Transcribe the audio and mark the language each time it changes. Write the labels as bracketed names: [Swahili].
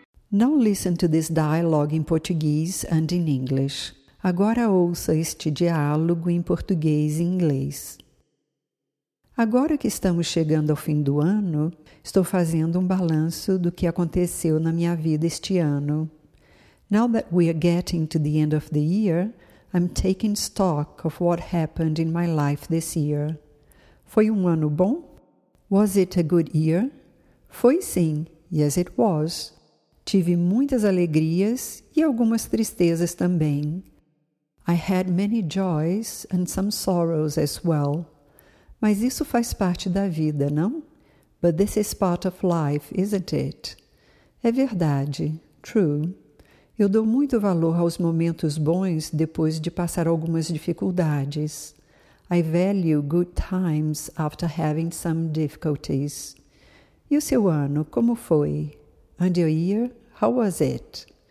[English] Now listen to this dialogue in Portuguese and in English. [Portuguese] Agora ouça este diálogo em português e inglês. Agora que estamos chegando ao fim do ano, estou fazendo um balanço do que aconteceu na minha vida este ano. [English] Now that we are getting to the end of the year, I'm taking stock of what happened in my life this year. [Portuguese] Foi um ano bom? [English] Was it a good year? [Portuguese] Foi sim. [English] Yes, it was. [Portuguese] Tive muitas alegrias e algumas tristezas também. [English] I had many joys and some sorrows as well. [Portuguese] Mas isso faz parte da vida, não? [English] But this is part of life, isn't it? [Portuguese] É verdade. [English] True. [Portuguese] Eu dou muito valor aos momentos bons depois de passar algumas dificuldades. [English] I value good times after having some difficulties. [Portuguese] E o seu ano, como foi? [English] And your year, how was it?